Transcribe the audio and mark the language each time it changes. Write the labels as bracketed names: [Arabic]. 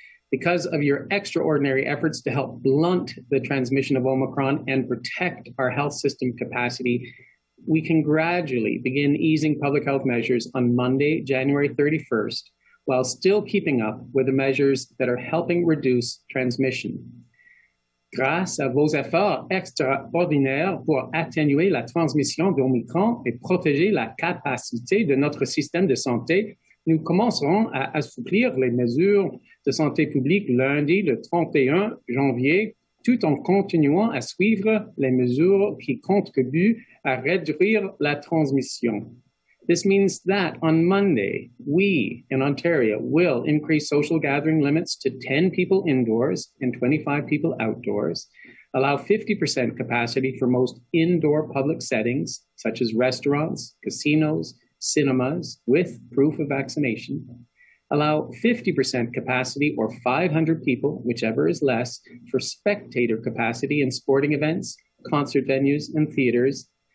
[English] Because of your extraordinary efforts to help blunt the transmission of Omicron and protect our health system capacity, we can gradually begin easing public health measures on Monday, January 31st, while still keeping up with the measures that are helping reduce transmission. [French] Grâce à vos efforts extraordinaires pour atténuer la transmission d'Omicron et protéger la capacité de notre système de santé, nous commencerons à assouplir les mesures de santé publique lundi le 31 janvier, tout en continuant à suivre les mesures qui contribuent à réduire la transmission. [English] This means that on Monday, we in Ontario will increase social gathering limits to 10 people indoors and 25 people outdoors, allow 50% capacity for most indoor public settings, such as restaurants, casinos, cinemas with proof of vaccination, allow 50% capacity or 500 people, whichever is less, for spectator capacity in sporting events, concert venues, and theaters.